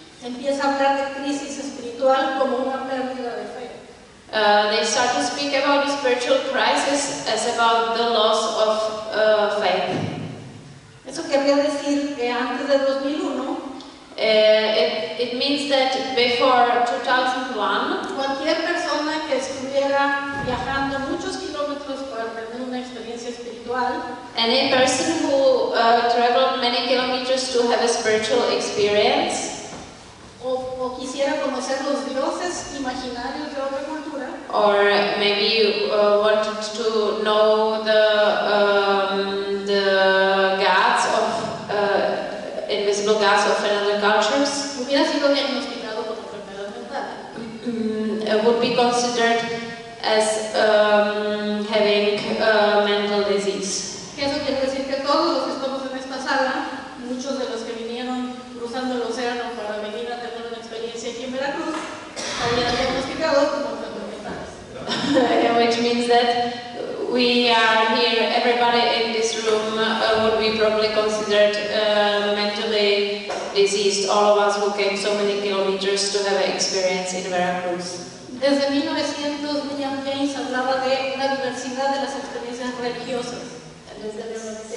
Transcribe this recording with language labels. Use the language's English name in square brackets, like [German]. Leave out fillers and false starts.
[Spanish] empieza a hablar de crisis espiritual como una pérdida. [English] They start to speak about the spiritual crisis as about the loss of faith. [Spanish] Eso quería decir que antes de 2001. [English] It means that before 2001. [Spanish] Cualquier persona que estuviera viajando muchos kilómetros para tener una experiencia espiritual. [English] Any person who traveled many kilometers to have a spiritual experience. [Spanish] O quisiera conocer los dioses imaginarios de otra cultura. [English] Or maybe you wanted to know the gods of invisible gods of another cultures. [Spanish] Hubiera sido diagnosticado con enfermedad mental. [English] Would be considered as having a mental disease. [Spanish] Eso quiere decir que todos los que estamos en esta sala, muchos de los que vinieron cruzando el océano para venir a tener una experiencia aquí en Veracruz, habían diagnosticado. [English] Which means that we are here, everybody in this room would be probably considered mentally diseased, all of us who came so many kilometers to have an experience in Veracruz. [Spanish] Desde 1900, William James hablaba de la diversidad de las experiencias religiosas.